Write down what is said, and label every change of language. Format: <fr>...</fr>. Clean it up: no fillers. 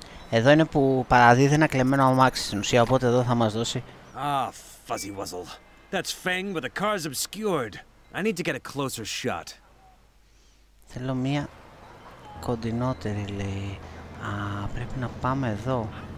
<el>Εδώ είναι που παραδίδει ένα κλεμμένο αμάξι στην ουσία, οπότε εδώ θα μας δώσει.</el> <en>Ah, fuzzy wuzzle. That's Feng, but the car's obscured. I need to get a closer shot.</en> <el>Θέλω μία κοντινότερη, λέει. Α, πρέπει να πάμε εδώ.</el>